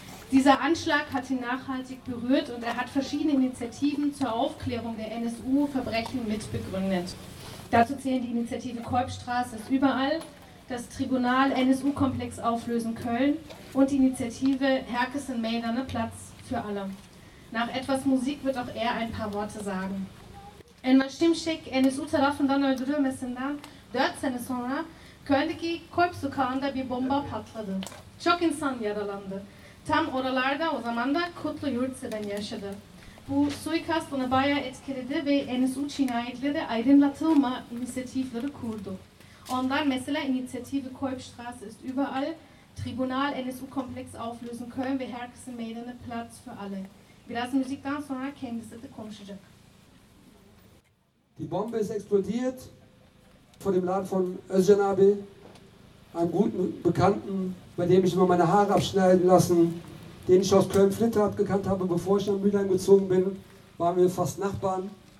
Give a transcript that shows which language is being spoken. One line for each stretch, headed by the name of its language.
German: Dieser Anschlag hat ihn nachhaltig berührt und er hat verschiedene Initiativen zur Aufklärung der NSU-Verbrechen mitbegründet. Dazu zählen die Initiative Kolbstraße ist überall, das Tribunal NSU-Komplex auflösen Köln und die Initiative Herkes in Mälderne Platz für alle. Nach etwas Musik wird auch er ein paar Worte sagen.
Turkish: Enver Şimşek, NSU-Tarafından öldürülmesinden 4 sene sonra Köln'deki Kolb sokağında bir bomba patladı. Çok insan yaralandı. Tam oralarda o zaman da Kutlu Yurtseven yaşadı. Bu suikast onu bayağı etkiledi ve NSU cinayetleri aydınlatılma inisiyatifleri kurdu. Ondan mesela inisiyatifi Kolbstraße ist überall, Tribunal NSU Komplex auflösen Köln ve herkesin meydanı Platz für alle. Biraz müzikten sonra kendisi de konuşacak.
German: Die Bombe ist explodiert vor dem Laden von Özcan abi, einem guten Bekannten, bei dem ich immer meine Haare abschneiden lassen, den ich aus Köln-Flittert gekannt habe, bevor ich nach Mülheim gezogen bin, waren wir fast Nachbarn.